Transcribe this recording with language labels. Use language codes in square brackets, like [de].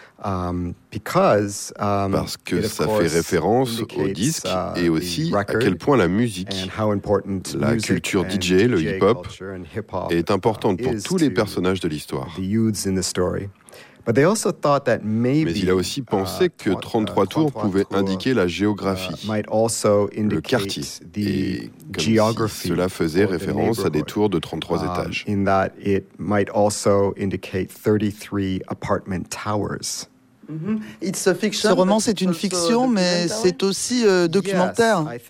[fr] Parce que ça fait référence au disque et aussi à quel point la musique, la culture DJ, le hip-hop, est importante pour tous les personnages de l'histoire. Mais il a aussi pensé que 33 tours pouvait indiquer la géographie, le quartier, et comme si cela faisait référence à des tours de 33 étages. [en] In that it might also indicate 33 apartment towers. Mm-hmm. It's a fiction. [fr] Ce roman, c'est une fiction, mais c'est aussi documentaire.